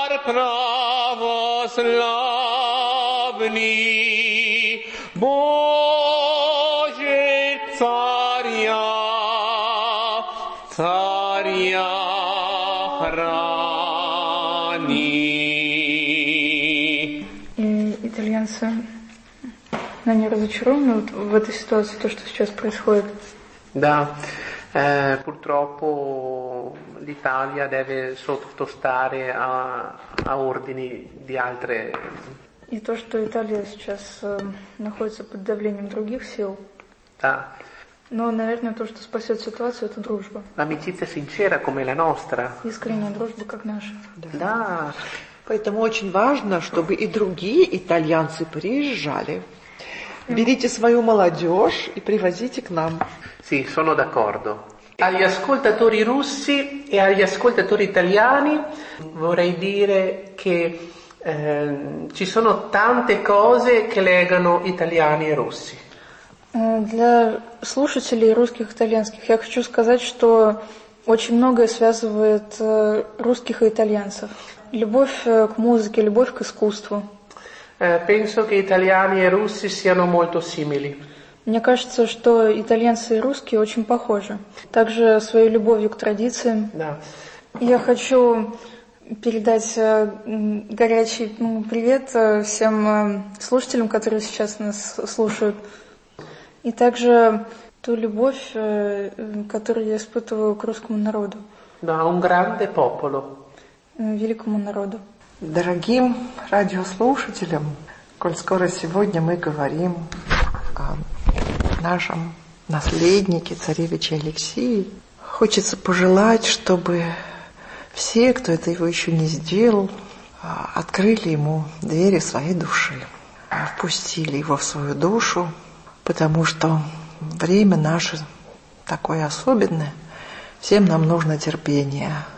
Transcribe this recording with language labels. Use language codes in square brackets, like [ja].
[ru] Православный Боже, царя, царя храни. И итальянцы, но не разочарованы вот в этой ситуации, то, что сейчас происходит? Да. [it] Purtroppo l'Italia deve sottostare a ordini di altre. [ru] И то, что Италия сейчас находится под давлением других сил. Да. Но, наверное, то, что спасет ситуацию, это дружба. [it] Amicizia sincera come la nostra. [ru] Искренняя дружба, как наша. Да. Да. Поэтому очень важно, чтобы и другие итальянцы приезжали. Берите свою молодежь и привозите к нам. [it] Sì, sono d'accordo. Agli ascoltatori russi e agli ascoltatori italiani vorrei dire che ci sono tante cose che legano italiani e russi. [ru] Для слушателей русских и итальянских я хочу сказать, что очень многое связывает русских и итальянцев. Любовь к музыке, любовь к искусству. [it] Penso che italiani e russi siano molto simili. [ru] Мне кажется, что итальянцы и русские очень похожи. Также своей любовью к традициям. Да. Я хочу передать горячий привет всем слушателям, которые сейчас нас слушают. И также ту любовь, которую я испытываю к русскому народу. Да, [it] un grande popolo. [ru] Великому народу. Дорогим радиослушателям, коль скоро сегодня мы говорим о нашем наследнике, царевиче Алексее, хочется пожелать, чтобы все, кто это его еще не сделал, открыли ему двери своей души, впустили его в свою душу, потому что время наше такое особенное, всем нам нужно терпение.